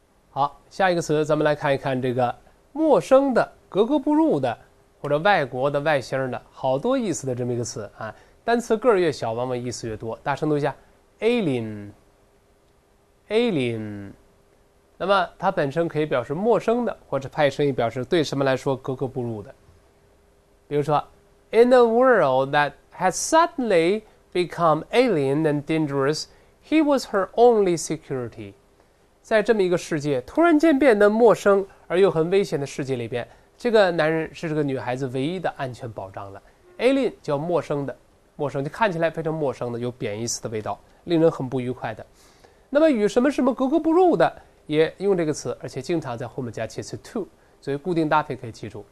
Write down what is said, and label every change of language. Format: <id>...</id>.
<zh>好，下一个词咱们来看一看这个陌生的、格格不入的或者外国的、外星的，好多意思的这么一个词啊。单词个儿越小，往往意思越多。大声读一下 ，alien，alien。那么它本身可以表示陌生的，或者派生意表示对什么来说格格不入的。</zh> <en>比如说 ，In a world that has suddenly become alien and dangerous, he was her only security。</en> <zh>在这么一个世界突然间变得陌生而又很危险的世界里边，这个男人是这个女孩子唯一的安全保障了。 alien 叫陌生的。陌生就看起来非常陌生的，有贬义词的味道，令人很不愉快的。那么与什么什么格格不入的也用这个词，而且经常在后面加介词 to， 所以固定搭配可以记住。</zh>